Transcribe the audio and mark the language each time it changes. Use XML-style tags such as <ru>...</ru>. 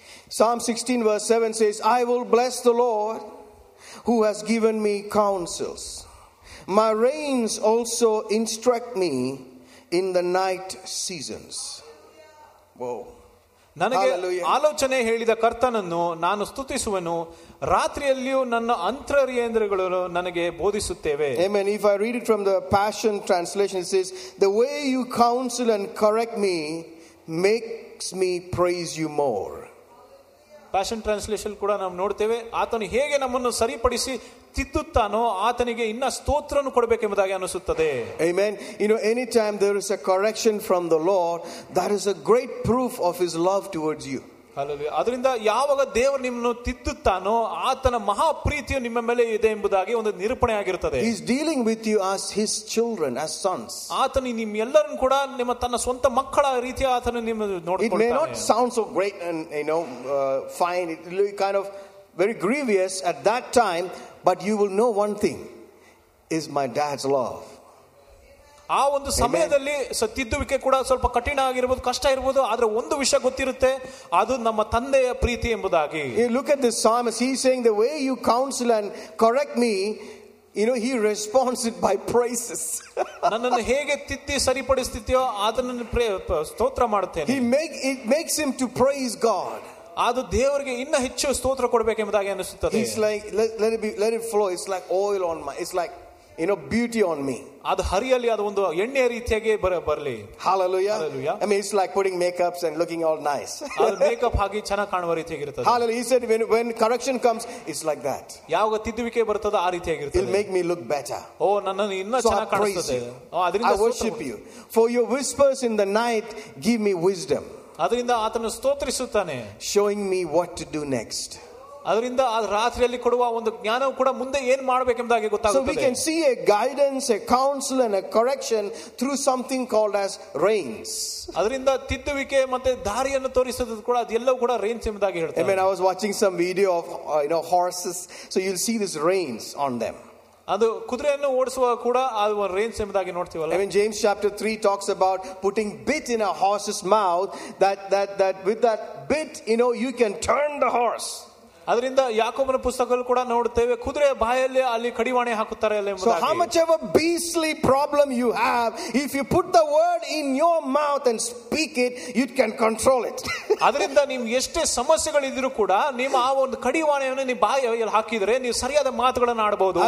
<en>Psalm 16 verse 7 says, I will bless the Lord who has given me counsels. My reins also instruct me in the night seasons. Whoa.</en> <kn>ನನಗೆ ಆಲೋಚನೆ ಹೇಳಿದ ಕರ್ತನನ್ನು ನಾನು ಸ್ತುತಿಸುವೆನು. ರಾತ್ರಿಯಲ್ಲಿಯೂ ನನ್ನ ಅಂತರೇಂದ್ರಗಳು ನನಗೆ ಬೋಧಿಸುತ್ತೇವೆ.</kn> <en>Amen. If I read it from the Passion Translation, it says, the way you counsel and correct me makes me praise you more.</en> <kn>Passion translation ಕೂಡ ನಾವು ನೋಡ್ತೇವೆ. ಆತನು ಹೇಗೆ ನಮ್ಮನ್ನು ಸರಿಪಡಿಸಿ ತಿದ್ದುತ್ತಾನೋ ಆತನಿಗೆ ಇನ್ನ ಸ್ತೋತ್ರ ಕೊಡಬೇಕೆಂಬುದಾಗಿ ಅನಿಸುತ್ತದೆ. Amen.</kn> <en>You know any time there is a correction from the Lord, that is a great proof of his love towards you.</en> <kn>Hallelujah. ಅದರಿಂದ ಯಾವಾಗ ದೇವರು ನಿಮ್ಮನ್ನು ತಿದ್ದುತ್ತಾನೋ ಆತನ ಮಹಾಪ್ರೀತಿಯು ನಿಮ್ಮ ಮೇಲೆ ಇದೆ ಎಂಬುದಾಗಿ ಒಂದು ನಿರೂಪಣೆ ಆಗಿರುತ್ತದೆ.</kn> <en>He is dealing with you as his children, as sons.</en> <kn>ಆತನು ನಿಮ್ಮೆಲ್ಲರನ್ನೂ ಕೂಡ ನಿಮ್ಮ ತನ್ನ ಸ್ವಂತ ಮಕ್ಕಳ ರೀತಿ ಆತನು ನಿಮ್ಮನ್ನು ನೋಡಿಕೊಳ್ಳುತ್ತಾನೆ.</kn> <en>It may not sound so great and fine, it will be kind of very grievous at that time, but you will know one thing, is my dad's love.</en> <kn>ಆ ಒಂದು ಸಮಯದಲ್ಲಿ ಸತ್ತಿದ್ದುವಿಕೆ ಕೂಡ ಸ್ವಲ್ಪ ಕಠಿಣ ಆಗಿರ್ಬೋದು, ಕಷ್ಟ ಇರ್ಬೋದು, ಆದ್ರೆ ಒಂದು ವಿಷಯ ಗೊತ್ತಿರುತ್ತೆ, ಅದು ನಮ್ಮ ತಂದೆಯ ಪ್ರೀತಿ ಎಂಬುದಾಗಿ.</kn> <en>He look at the psalmist, he is saying, the way you counsel and correct me, you know, he responds it by praises.</en> <kn>ನನ್ನನ್ನು ಹೇಗೆ ತಿದ್ದಿ ಸರಿಪಡಿಸ್ತಿದ್ಯೋ ಅದನ್ನು ಸ್ತೋತ್ರ ಮಾಡುತ್ತೇನೆ.</kn> <en>It makes him to praise God.</en> <kn>ಅದು ದೇವರಿಗೆ ಇನ್ನ ಹೆಚ್ಚು ಸ್ತೋತ್ರ ಕೊಡಬೇಕೆಂಬುದಾಗಿ ಅನಿಸುತ್ತದೆ.</kn> <en>It's like let it flow, it's like oil on my, it's like, you know, beauty on me.</en> <kn>ಅದು ಹರಿಯಲಿ, ಅದು ಒಂದು ಎಣ್ಣೆಯ ರೀತಿಯಾಗಿ ಬರಲಿ.</kn> <en>Hallelujah. I mean, it's like putting makeups and looking all nice.</en> <kn>ಅದು ಮೇಕಪ್ ಹಾಗೆ ಚೆನ್ನಾಗಿ ಕಾಣುವ ರೀತಿಯಾಗಿರುತ್ತದೆ.</kn> <en>Hallelujah. He said when correction comes, it's like that.</en> <kn>ಯಾವಾಗ ತಿದ್ದುವಿಕೆ ಬರ್ತದ ಆ ರೀತಿಯಾಗಿರುತ್ತದೆ.</kn> <en>It'll make me look better.</en> <kn>ಓ, ನನ್ನನ್ನು ಇನ್ನ ಚೆನ್ನಾಗಿ ಕಾಣಿಸುತ್ತದೆ. ಓ, ಅದರಿಂದ</kn> <en>I worship you. For your whispers in the night give me wisdom.</en> <kn>ಅದರಿಂದ ಆತನು ಸ್ತೋತ್ರಿಸುತ್ತಾನೆ.</kn> <en>Showing me what to do next.</en> <kn>ಅದರಿಂದ ಆ ರಾತ್ರಿಯಲ್ಲಿ ಕೊಡುವ ಒಂದು ಜ್ಞಾನವು ಕೂಡ ಮುಂದೆ ಏನ್ ಮಾಡಬೇಕೆಂಬುದಾಗಿ ಗೊತ್ತಾಗುತ್ತದೆ.</kn> <en>So we can see a guidance, a counsel and a correction through something called as rains.</en> <kn>ಅದರಿಂದ ತಿದ್ದುವಿಕೆ ಮತ್ತೆ ದಾರಿಯನ್ನು ತೋರಿಸೋದು ಕೂಡ ಅದೆಲ್ಲವೂ ಕೂಡ ರೈನ್ಸ್ ಎಂಬುದಾಗಿ ಹೇಳ್ತಾರೆ.</kn> <en>I mean, I was watching some video of, you know, horses, so you'll see this rains on them.</en> <kn>ಅದು ಕುದುರೆಯನ್ನು ಓಡಿಸುವಾಗ ಕೂಡ ಅದು ರೈನ್ಸ್ ಎಂಬುದಾಗಿ ನೋಡ್ತೀವಲ್ಲ.</kn> <en>I mean, James chapter 3 talks about putting bit in a horse's mouth, that with that bit, you know, you can turn the horse.</en> <kn>ಅದರಿಂದ ಯಾಕೋಬನ ಪುಸ್ತಕಗಳು ಕೂಡ ನೋಡುತ್ತೇವೆ, ಕುದುರೆ ಬಾಯಲ್ಲಿ ಅಲ್ಲಿ ಕಡಿವಾಣೆ ಹಾಕುತ್ತಾರೆ.</kn> <en>So how much of a beastly problem you have, if you put the word in your mouth and speak it, you can control it.</en> <kn>ಅದರಿಂದ ನೀವು ಎಷ್ಟೇ ಸಮಸ್ಯೆಗಳಿದ್ರೂ ಕೂಡ ನಿಮ್ಮ ಆ ಒಂದು ಕಡಿವಾಣೆಯನ್ನು ನೀವು ಬಾಯಲ್ಲಿ ಹಾಕಿದ್ರೆ ನೀವು ಸರಿಯಾದ ಮಾತುಗಳನ್ನು ಆಡಬಹುದು.</kn>